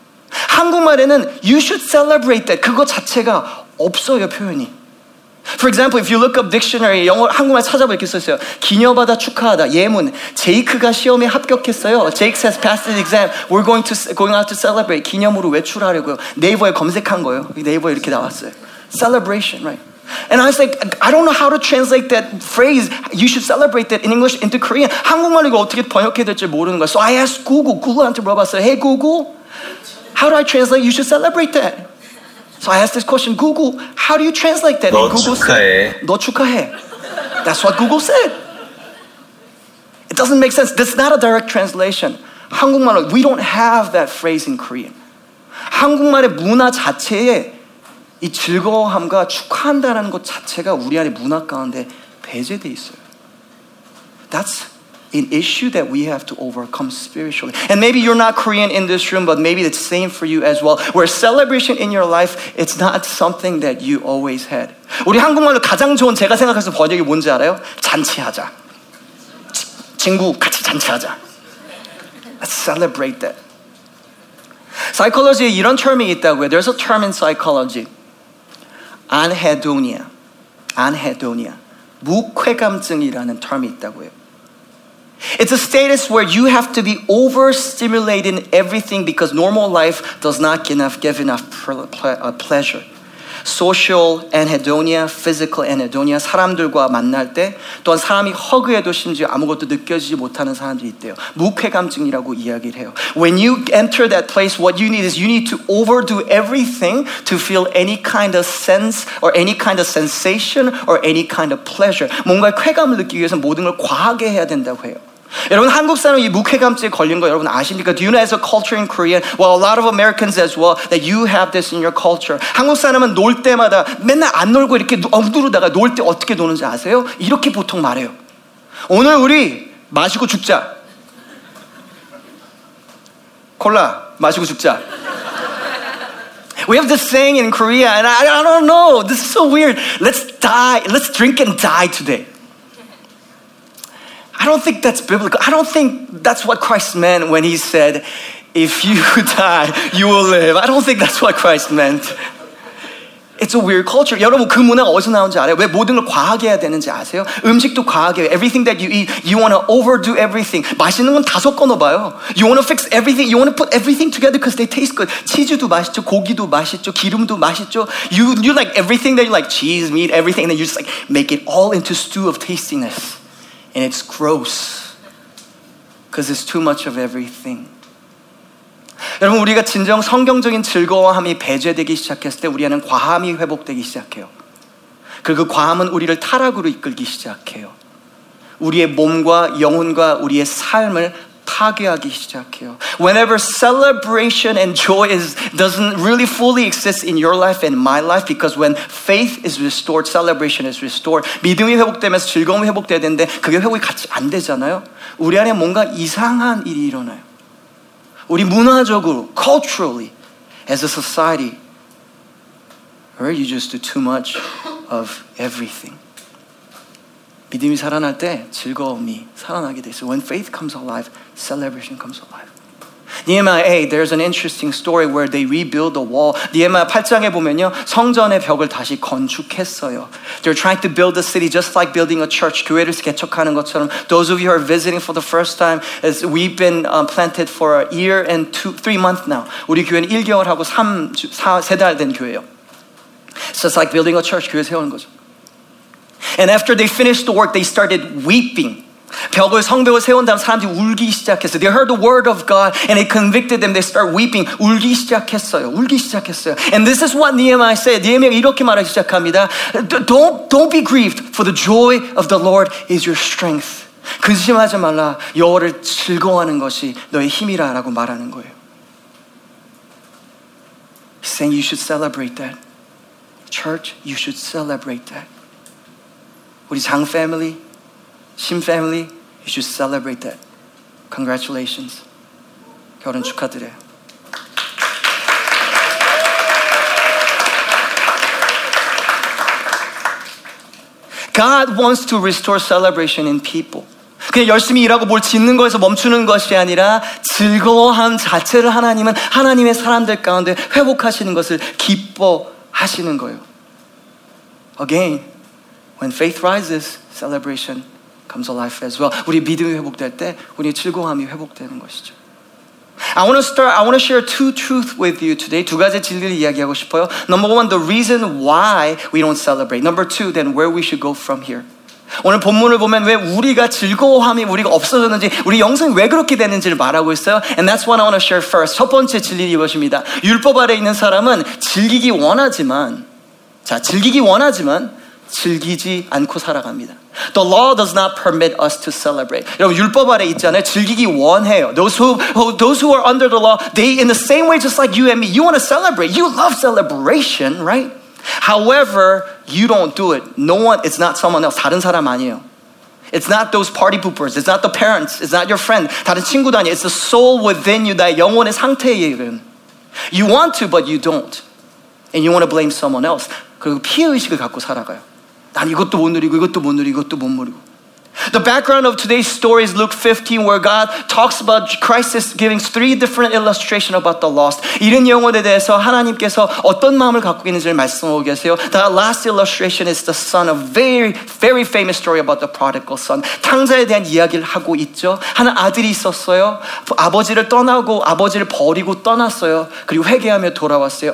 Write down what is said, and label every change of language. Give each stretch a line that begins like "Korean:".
Korean: 한국말에는
English: you should celebrate that
Korean: 그거 자체가 없어요, 표현이.
English: For example, if you look up dictionary,
Korean: 영어 한국말 찾아보 이렇게 써 있어요. 기념하다, 축하하다. 예문. 제이크가 시험에 합격했어요.
English: Jake has passed the exam. We're going out to celebrate.
Korean: 기념으로 외출하려고요. 네이버에 검색한 거예요. 네이버에 이렇게 나왔어요.
English: Celebration, right? And I was like, I don't know how to translate that phrase. You should celebrate that in English into Korean.
Korean: 한국말로 이거 어떻게 번역해야 될지 모르는 거야.
English: So I asked Google.
Korean: Google한테 물어봤어요.
English: Hey Google, how do I translate you should celebrate that? So I asked this question. Google, how do you translate that?
Korean: 너 and Google 축하해.
English: Said,
Korean: 너 축하해.
English: That's what Google said. It doesn't make sense. That's not a direct translation.
Korean: 한국말로
English: we don't have that phrase in Korean.
Korean: 한국말의 문화 자체에 이 즐거움과 축하한다라는 것 자체가 우리 안에 문화 가운데 배제돼 있어요.
English: That's an issue that we have to overcome spiritually. And maybe you're not Korean in this room, but maybe it's the same for you as well. Where celebration in your life, it's not something that you always had.
Korean: 우리 한국말로 가장 좋은 제가 생각해서 번역이 뭔지 알아요? 잔치하자. 친구 같이 잔치하자.
English: Let's celebrate that. Psychology에
Korean: 이런
English: term이
Korean: 있다고 해요.
English: There's a term in psychology. Anhedonia.
Korean: Anhedonia. 무쾌감증이라는 term이 있다고 해요.
English: It's a status where you have to be overstimulating everything because normal life does not give enough pleasure.
Korean: Social anhedonia, physical anhedonia, 사람들과 만날 때 또한 사람이 허그해도 심지어 아무것도 느껴지지 못하는 사람들이 있대요. 무쾌감증이라고 이야기를 해요.
English: When you enter that place, what you need is you need to overdo everything to feel any kind of sense or any kind of sensation or any kind of pleasure.
Korean: 뭔가 쾌감을 느끼기 위해서 모든 걸 과하게 해야 된다고 해요. 여러분 한국 사람 이 무쾌감증에 걸린 거 여러분 아십니까?
English: Do you know as a culture in Korea, well a lot of Americans as well, that you have this in your culture.
Korean: 한국 사람은 놀 때마다 맨날 안 놀고 이렇게 엉두르다가 놀 때 어떻게 노는지 아세요? 이렇게 보통 말해요. 오늘 우리 마시고 죽자. 콜라 마시고 죽자.
English: We have this saying in Korea, and I don't know. This is so weird. Let's die. Let's drink and die today. I don't think that's biblical. I don't think that's what Christ meant when he said, if you die, you will live. I don't think that's what Christ meant. It's a weird culture.
Korean: 여러분, 그 문화가 어디서 나온지 알아요? 왜 모든 걸 과하게 해야 되는지 아세요? 음식도 과하게 해요.
English: Everything that you eat, you want to overdo everything.
Korean: 맛있는 건 다 섞어놔봐요.
English: You want to fix everything. You want to put everything together because they taste good.
Korean: 치즈도 맛있죠. 고기도 맛있죠. 기름도 맛있죠.
English: You like everything that you like, cheese, meat, everything. And then you just like make it all into stew of tastiness. And it's gross because it's too much of everything.
Korean: 여러분 우리가 진정 성경적인 즐거워함이 배제되기 시작했을 때 우리에는 과함이 회복되기 시작해요. 그리고 그 과함은 우리를 타락으로 이끌기 시작해요. 우리의 몸과 영혼과 우리의 삶을 파괴하기 시작해요.
English: Whenever celebration and joy doesn't really fully exist in your life and my life, because when faith is restored, celebration is restored.
Korean: 믿음이 회복되면서 즐거움이 회복돼야 되는데 그게 회복이 같이 안 되잖아요. 우리 안에 뭔가 이상한 일이 일어나요. 우리 문화적으로,
English: culturally, as a society, where you just do too much of everything.
Korean: 믿음이 살아날 때 즐거움이 살아나게 돼 있어요.
English: When faith comes alive, celebration comes alive. Nehemiah 8, there's an interesting story where they rebuild the wall.
Korean: Nehemiah 8장에 보면요, 성전의 벽을 다시 건축했어요.
English: They're trying to build the city just like building a church.
Korean: 교회를 개척하는 것처럼.
English: Those of you who are visiting for the first time, as we've been planted for a year and two, 3 months now.
Korean: 우리 교회는 1개월하고 3달 된 교회예요.
English: So it's like building a church,
Korean: 교회 세우는 거죠.
English: And after they finished the work, they started weeping.
Korean: 벽을 성벽을 세운 다음 사람들이 울기 시작했어요.
English: They heard the word of God and it convicted them. They start weeping.
Korean: 울기 시작했어요. 울기 시작했어요.
English: And this is what Nehemiah said.
Korean: Nehemiah 이렇게 말하기 시작합니다.
English: Don't be grieved, for the joy of the Lord is your strength.
Korean: 근심하지 말라. 여호와를 즐거워하는 것이 너의 힘이라라고 말하는 거예요.
English: He's saying you should celebrate that. Church, you should celebrate that.
Korean: 우리 장 패밀리, 신 패밀리,
English: you should celebrate that. Congratulations.
Korean: 결혼 축하드려요.
English: God wants to restore celebration in people.
Korean: 그냥 열심히 일하고 뭘 짓는 거에서 멈추는 것이 아니라 즐거워함 자체를 하나님은 하나님의 사람들 가운데 회복하시는 것을 기뻐하시는 거예요.
English: Again, when faith rises, celebration comes alive as well.
Korean: 우리 믿음이 회복될 때 우리 즐거움이 회복되는 것이죠.
English: I want to share two truths with you today.
Korean: 두 가지 진리를 이야기하고 싶어요.
English: Number one, the reason why we don't celebrate. Number two, then where we should go from here.
Korean: 오늘 본문을 보면 왜 우리가 즐거움이 우리가 없어졌는지, 우리 영성이 왜 그렇게 되는지를 말하고 있어요.
English: And that's what I want to share first.
Korean: 첫 번째 진리 이것입니다. 율법 아래 있는 사람은 즐기기 원하지만, 자, 즐기기 원하지만 즐기지 않고 살아갑니다.
English: The law does not permit us to celebrate.
Korean: 여러분 율법 아래 있잖아요. 즐기기 원해요.
English: Those who are under the law, they in the same way just like you and me, you want to celebrate. You love celebration, right? However, you don't do it. No one, it's not someone else.
Korean: 다른 사람 아니에요.
English: It's not those party poopers. It's not the parents. It's not your friend.
Korean: 다른 친구도 아니야.
English: It's the soul within you,
Korean: 나의 영혼의 상태에 이른.
English: You want to, but you don't. And you want to blame someone else.
Korean: 그리고 피해의식을 갖고 살아가요. 난 이것도 못 누리고 이것도 못 누리고 이것도 못 누리고.
English: The background of today's story is Luke 15, where God talks about Christ's giving three different illustrations about the lost.
Korean: 이런 영혼에 대해서 하나님께서 어떤 마음을 갖고 있는지를 말씀하고 계세요.
English: The last illustration is the son, a very, very famous story about the prodigal son.
Korean: 탕자에 대한 이야기를 하고 있죠. 한 아들이 있었어요. 아버지를 떠나고 아버지를 버리고 떠났어요. 그리고 회개하며 돌아왔어요.